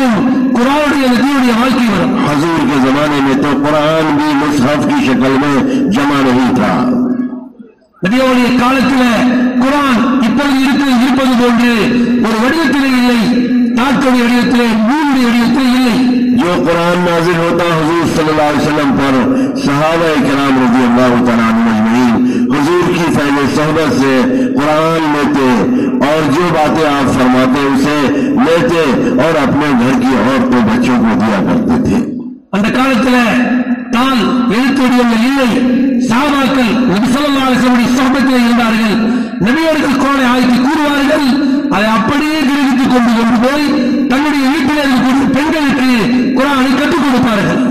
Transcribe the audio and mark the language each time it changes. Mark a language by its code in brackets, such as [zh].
[ur] حضور کے زمانے میں تو قرآن بھی مصحف کی شکل میں جمع نہیں تھا. [ta] நபியுடைய காலத்தில் குரான் இப்பொழுது இருப்பது போன்று ஒரு வடிவத்திலே இல்லை, தாக்கோடைய வடிவத்திலே மூன்று வடிவத்திலே இல்லை. [ur] جو قرآن نازل ہوتا حضور صلی اللہ علیہ وسلم پر صحابہ کرام رضی اللہ تعالیٰ عنہم اجمعین حضور کی فیض صحبت سے قرآن لیتے اور جو باتیں آپ فرماتے اسے لیتے اور اپنے گھر کی عورتوں بچوں کو دیا کرتے تھے. [ta] அந்த காலத்தில் தான் எழுத்துடையவர்கள் இல்லை, சாபாக்கள் நபி ஸல்லல்லாஹு அலைஹி வஸல்லம் சொஹபத்தில் இருந்தார்கள். நபியர்கள் கோலை ஆய்த்து கூறுவார்கள், அதை அப்படியே கிரகித்துக் கொண்டு போய் தன்னுடைய வீட்டிலிருந்து பெண்களுக்கு குரானை கற்றுக் கொடுப்பார்கள்.